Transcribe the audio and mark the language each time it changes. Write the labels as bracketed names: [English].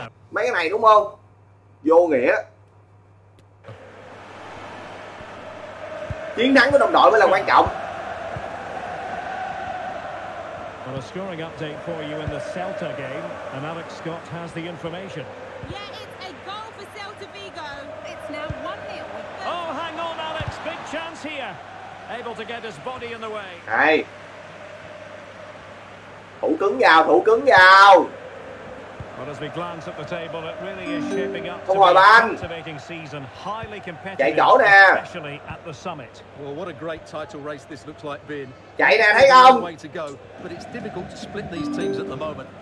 [Vietnamese] Mấy cái này đúng không? Vô nghĩa. Chiến thắng của đồng đội mới là quan trọng. [English] Well, a scoring update for you in the Celta game, and Alex Scott has the information. Yeah, it's a goal for Celta Vigo. It's now 1-0. Oh, hang on, Alex. Big chance here. Able to get his body in the way. Hey. [Vietnamese] Thủ cứng vào, thủ cứng vào. [English] But as we glance at the table, it really is shaping up to be an activating season, highly competitive, especially at the summit. Well, what a great title race this looks like being. [Vietnamese] Chạy nè, thấy không? [English] Way to go, but it's difficult to split these teams at the moment.